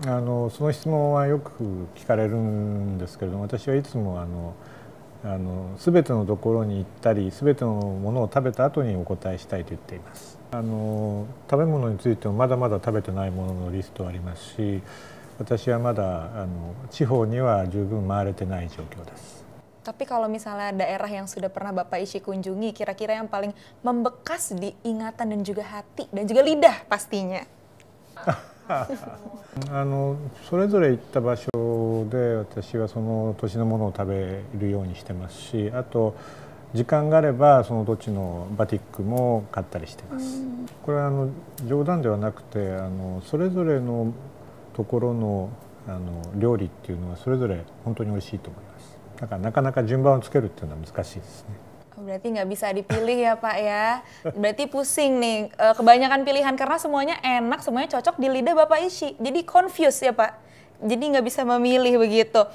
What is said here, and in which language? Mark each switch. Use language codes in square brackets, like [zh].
[ja] その質問はよく聞かれるんですけれども、私はいつもすべてのところに行ったり、すべてのものを食べた後にお答えしたいと言っています。食べ物についてもまだまだ食べてないもののリストありますし、私はまだ地方には十分回れてない状況です。 [id] Tapi kalau misalnya daerah yang sudah pernah Bapak Ishii kunjungi, kira-kira yang paling membekas di ingatan dan juga hati dan juga lidah pastinya. [ja] それぞれ行った場所で私はその土地のものを食べるようにしてますし、あと時間があればその土地のバティックも買ったりしてます。これは冗談ではなくて、それぞれのところの料理っていうのはそれぞれ本当に美味しいと思います。だからなかなか順番をつけるっていうのは難しいですね。 [id] Berarti nggak bisa dipilih ya Pak ya. Berarti pusing nih, kebanyakan pilihan karena semuanya enak, semuanya cocok di lidah Bapak Ishii. Jadi confused ya Pak. Jadi nggak bisa memilih begitu.